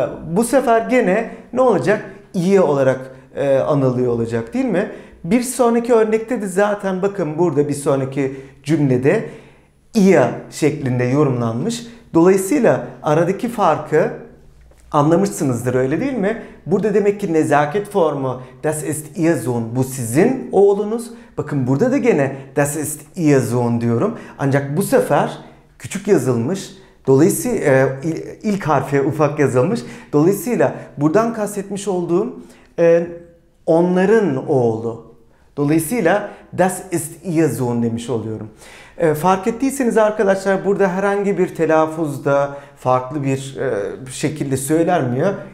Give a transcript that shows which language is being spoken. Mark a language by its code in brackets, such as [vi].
[tr] Bu sefer gene ne olacak? İ olarak anılıyor olacak değil mi? Bir sonraki örnekte de zaten bakın burada bir sonraki cümlede ihr şeklinde yorumlanmış. Dolayısıyla aradaki farkı anlamışsınızdır öyle değil mi? Burada demek ki nezaket formu [de] das ist ihr Sohn [tr] bu sizin oğlunuz. Bakın burada da gene [de] das ist ihr Sohn [tr] diyorum. Ancak bu sefer küçük yazılmış. Dolayısıyla ilk harfe ufak yazılmış. Dolayısıyla buradan kastetmiş olduğum onların oğlu. Dolayısıyla [de] das ist ihr Sohn [tr] demiş oluyorum. Fark ettiyseniz arkadaşlar burada herhangi bir telaffuzda farklı bir şekilde söylenmiyor.